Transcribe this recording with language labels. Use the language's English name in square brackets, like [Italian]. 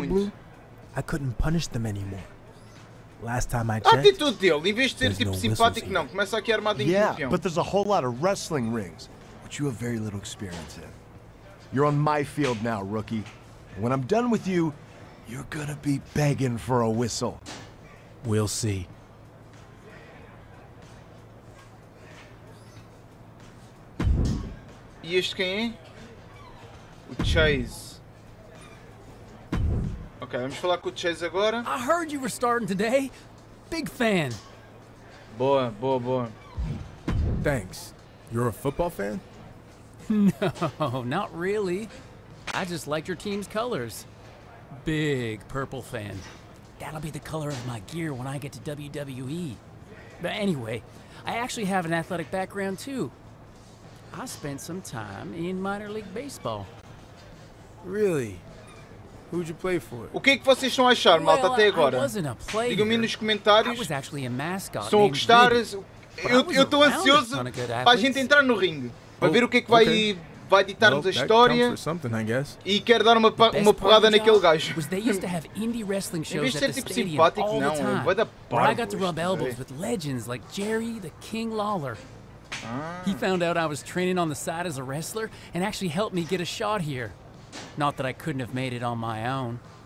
[English] Blew, I couldn't punish them anymore. Last time I checked, [Portuguese] atitude dele, em vez de ser tipo simpático, não. Começa aqui armado em campeão. [English] Yeah, but there's a whole lot of wrestling rings, which you have very little experience in. You're on my field now, rookie. And when I'm done with you, you're gonna be begging for a whistle. We'll see. [Portuguese] E este quem é? O Chase. Ok, vamos falar com o Chase agora. [English] I heard you were starting today. Big fan. [Portuguese] Boa, boa, boa. [English] Thanks. You're a football fan? No, not really. I just liked your team's colors. Big purple fan. That'll be the color of my gear when I get to WWE. But anyway, I actually have an athletic background too. I spent some time in minor league baseball. Really? Who'd you play for? [Portuguese] O que é que vocês estão a achar, malta, [English] well, [Portuguese] até agora? [English] I wasn't a player. [Portuguese] Digam-me nos comentários. [English] I was actually a mascot. [Portuguese] Estão a gostar? Eu estou ansioso para a gente entrar no ringue. Para ver o que é que vai ditar-nos a história. E quer dar uma porrada naquele gajo. [English] Was they used to have indie wrestling shows at the stadium all the time. But I got to rub elbows with legends like Jerry the King Lawler. He found out I was training on the side as a wrestler and actually helped me get a shot here. Not that I couldn't have made it on my own.